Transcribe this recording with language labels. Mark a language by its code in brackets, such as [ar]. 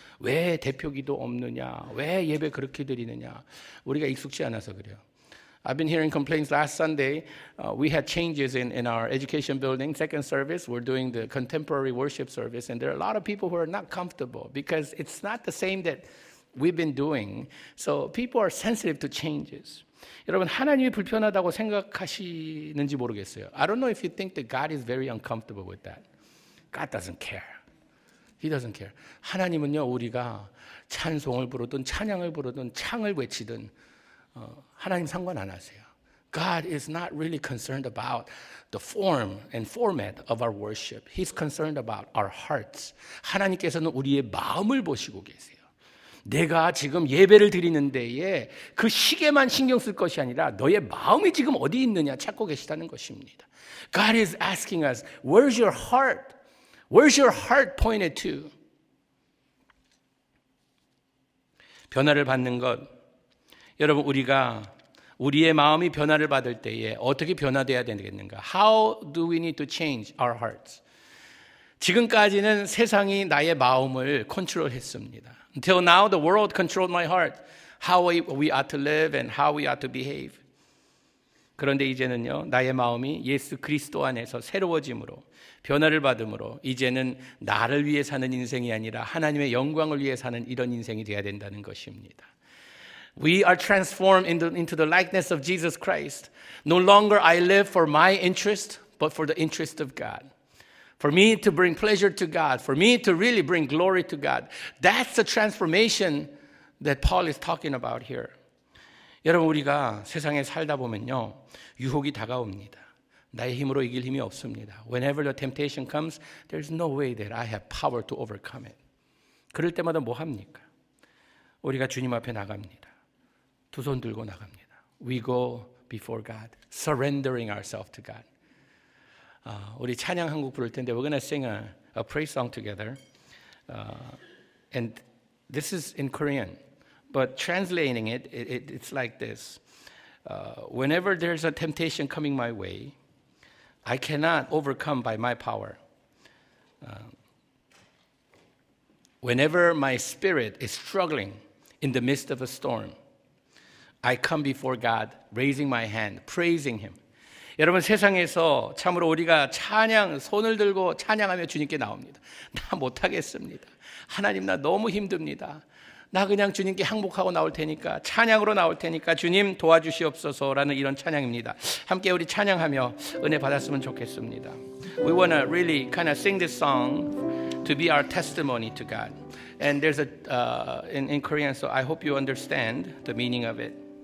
[ko] 왜 대표기도 없느냐? 왜 예배 그렇게 드리느냐? 우리가 익숙지 않아서 그래요. [en] I've been hearing complaints last Sunday. We had changes in our education building, second service. We're doing the contemporary worship service. And there are a lot of people who are not comfortable because it's not the same that we've been doing. So people are sensitive to changes. [ko] 여러분, 하나님이 불편하다고 생각하시는지 모르겠어요. [en] I don't know if you think that God is very uncomfortable with that. God doesn't care. He doesn't care. [ko] 하나님은요, 우리가 찬송을 부르든 찬양을 부르든 창을 외치든 하나님 상관 안 하세요. [en] God is not really concerned about the form and format of our worship. He's concerned about our hearts. [ko] 하나님께서는 우리의 마음을 보시고 계세요. 내가 지금 예배를 드리는 데에 그 시계만 신경 쓸 것이 아니라 너의 마음이 지금 어디 있느냐 찾고 계시다는 것입니다. [en] God is asking us, where's your heart? Where's your heart pointed to? [ko] 변화를 받는 것. 여러분, 우리가 우리의 마음이 변화를 받을 때에 어떻게 변화되어야 되겠는가? [en] How do we need to change our hearts? [ko] 지금까지는 세상이 나의 마음을 컨트롤했습니다. [en] Until now, the world controlled my heart. How we ought to live and how we ought to behave. [ko] 그런데 이제는요, 나의 마음이 예수 그리스도 안에서 새로워짐으로, 변화를 받음으로 이제는 나를 위해 사는 인생이 아니라 하나님의 영광을 위해 사는 이런 인생이 되어야 된다는 것입니다. [en] We are transformed into the likeness of Jesus Christ. No longer I live for my interest, but for the interest of God. For me to bring pleasure to God, for me to really bring glory to God. That's the transformation that Paul is talking about here. [ko] 여러분, 우리가 세상에 살다 보면요, 유혹이 다가옵니다. 나의 힘으로 이길 힘이 없습니다. [en] Whenever the temptation comes, there's no way that I have power to overcome it. [ko] 그럴 때마다 뭐 합니까? 우리가 주님 앞에 나갑니다. 두 손 들고 나갑니다. [en] We go before God, surrendering ourselves to God. [ko] 우리 찬양 한 곡 부를 텐데 [en] we're going to sing a praise song together. And this is in Korean. But translating it, it's like this. Whenever there's a temptation coming my way, I cannot overcome by my power. Whenever my spirit is struggling in the midst of a storm, I come before God, raising my hand, praising Him. [ko] 여러분, 세상에서 참으로 우리가 찬양, 손을 들고 찬양하며 주님께 나옵니다. 나 못하겠습니다. 하나님, 나 너무 힘듭니다. 나 그냥 주님께 항복하고 나올 테니까, 찬양으로 나올 테니까 주님 도와주시옵소서 라는 이런 찬양입니다. 함께 우리 찬양하며 은혜 받았으면 좋겠습니다. [en] We want to really kind of sing this song to be our testimony to God. And there's a, in Korean, so I hope you understand the meaning of it.